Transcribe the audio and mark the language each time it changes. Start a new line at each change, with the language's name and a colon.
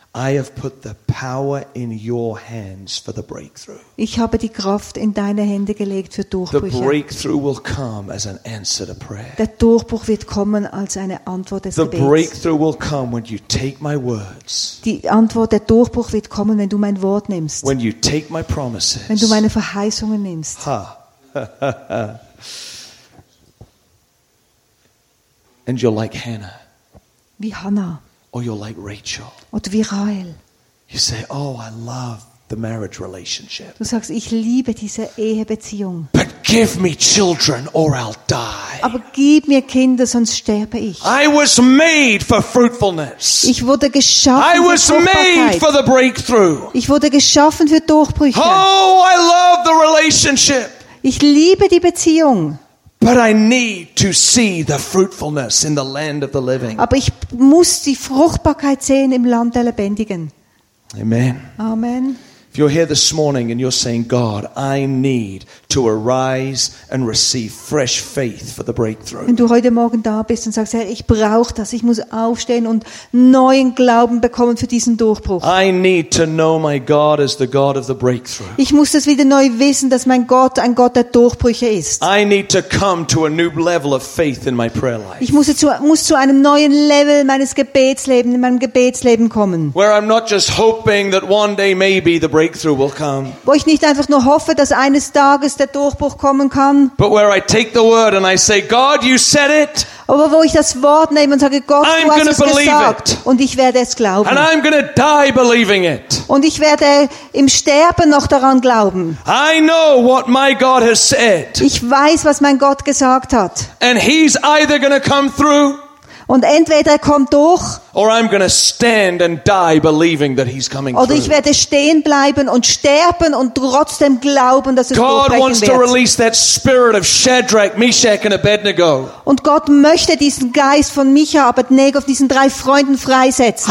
English: I have put the power in your hands for the breakthrough.
German: Ich habe die Kraft in deine Hände gelegt für Durchbrüche.
English: The breakthrough will come as an answer to prayer.
German: Der Durchbruch wird kommen als eine Antwort des Gebets.
English: The breakthrough will come when you take my words.
German: Die Antwort, der Durchbruch wird kommen, wenn du mein Wort nimmst.
English: When you take my promises.
German: Wenn du meine Verheißungen nimmst. Ha.
English: And you're like Hannah.
German: Wie Hannah.
English: Or you're like Rachel.
German: Oder wie Rahel.
English: You say, oh, I love the marriage relationship.
German: Du sagst, ich liebe diese Ehebeziehung.
English: But give me children or I'll die.
German: Aber gib mir Kinder, sonst sterbe ich.
English: I was made for fruitfulness.
German: Ich wurde geschaffen
English: I was
German: für
English: made for the breakthrough.
German: Ich wurde geschaffen für Durchbrüche.
English: Oh, I love the relationship.
German: Ich liebe die Beziehung.
English: But I need to see the fruitfulness in the land of the living.
German: Aber ich muss die Fruchtbarkeit sehen im Land der Lebendigen.
English: Amen.
German: Amen.
English: If you're here this morning and you're saying, God, I need to arise and receive fresh faith for the breakthrough.
German: Wenn du heute Morgen da bist und sagst, Herr, ich brauche das, ich muss aufstehen und neuen Glauben bekommen für diesen Durchbruch.
English: I need to know my God as the God of the breakthrough.
German: Ich muss das wieder neu wissen, dass mein Gott ein Gott der Durchbrüche ist.
English: I need to come to a new level of faith in my prayer life.
German: Ich muss zu einem neuen Level meines Gebetslebens, in meinem Gebetsleben kommen.
English: Where I'm not just hoping that one day maybe the breakthrough will come.
German: Wo ich nicht einfach nur hoffe, dass eines Tages der Durchbruch kommen kann.
English: But where I take the word and I say, God, you said it.
German: Aber wo ich das Wort nehme und sage, Gott, du hast es gesagt. Und ich werde es glauben.
English: And I'm going to die believing it.
German: Und ich werde im Sterben noch daran glauben.
English: I know what my God has said.
German: Ich weiß, was mein Gott gesagt hat.
English: And he's either going to come through.
German: Und entweder er kommt durch,
English: or I'm going to stand and die believing that he's coming through.
German: Oder ich werde stehen bleiben und sterben und trotzdem glauben, dass es durchbrechen wird.
English: God wants to release that spirit of Shadrach, Meshach and Abednego.
German: Und Gott möchte diesen Geist von Micha, Abednego, diesen drei Freunden freisetzen.